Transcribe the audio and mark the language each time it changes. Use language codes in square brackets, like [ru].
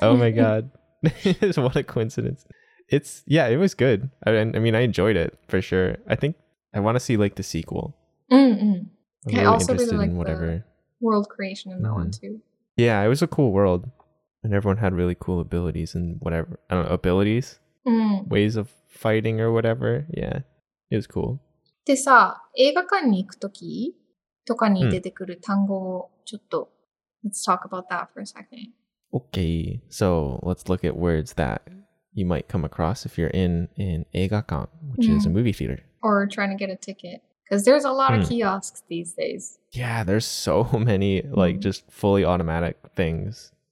[en] Oh, my God. What a coincidence. Yeah, it was good. I mean, I enjoyed it for sure. I think I want to see, like, the sequel. Mm-hmm. Okay, really I also really like the world creation in that one, too. Yeah, it was a cool world. And everyone had really cool abilities and whatever. I don't know, abilities? Mm. Ways of fighting or whatever. Yeah, it was cool. [ja] でさ、映画館に行くとき、とかに出てくる単語をちょっと、mm. [en] Let's talk about that for a second. Okay, so let's look at words that you might come across if you're in an 映画館, which、mm. is a movie theater. Or trying to get a ticket. Because there's a lot、mm. of kiosks these days. Yeah, there's so many, like, just fully automatic things.